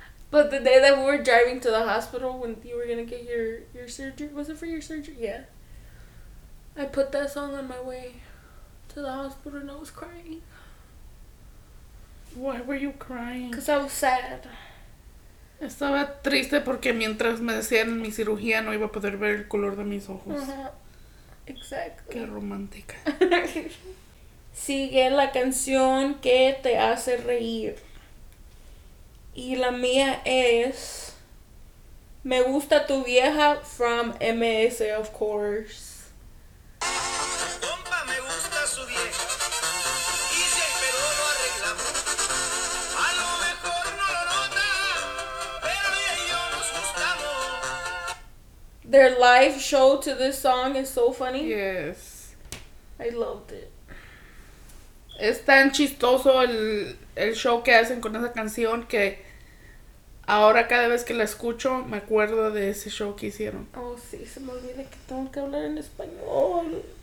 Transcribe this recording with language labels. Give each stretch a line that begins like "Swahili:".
English: But the day that we were driving to the hospital when you were gonna get your surgery, was it for your surgery? Yeah. I put that song on my way to the hospital and I was crying. Why were you crying? Because I was sad.
Spanish: Estaba triste porque mientras me decían mi cirugía no iba a poder ver el color de mis ojos. Uh-huh. Exacto. Qué romántica. Sigue la canción que te hace reír. Y la mía es Me Gusta Tu Vieja from MS, of course. Compa, me gusta su vieja. Dice, pero lo arreglamos. A lo mejor no lo nota, pero ella y yo nos gustamos.
English: their live show to this song is so funny. Yes. I loved it.
Spanish: Es tan chistoso el show que hacen con esa canción que ahora cada vez que la escucho me acuerdo de ese show que hicieron. Oh, sí, se me olvida que tengo que hablar en español.